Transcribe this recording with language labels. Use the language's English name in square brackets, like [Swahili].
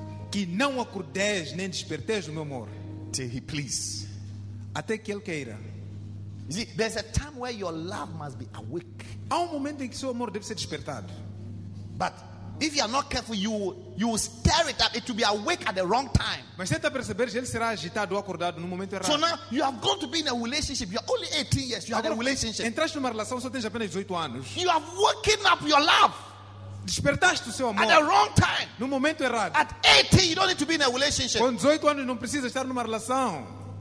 [Portuguese] Que não acordes nem despertes o meu amor. [English] Till he please. [Portuguese] Até que ele queira. [English] You see, there's a time where your love must be awake. [Portuguese] Há momento em que seu amor deve ser despertado. [English] But if you are not careful, you will stir it up. It will be awake at the wrong time. [Portuguese] Mas tenta perceber, ele será agitado, acordado no momento errado. [English] So now you have gone to be in a relationship. You are only 18 years. You [Portuguese] agora, [English] have a relationship. [Portuguese] Entraste numa relação, só tens apenas 18 anos. [English] You have woken up your love. [Portuguese] Despertaste o seu amor. [English] At the wrong time. [Portuguese] No momento errado. [English] At 18, you don't need to be in a relationship. [Portuguese] Com 18 anos, não precisa estar numa relação.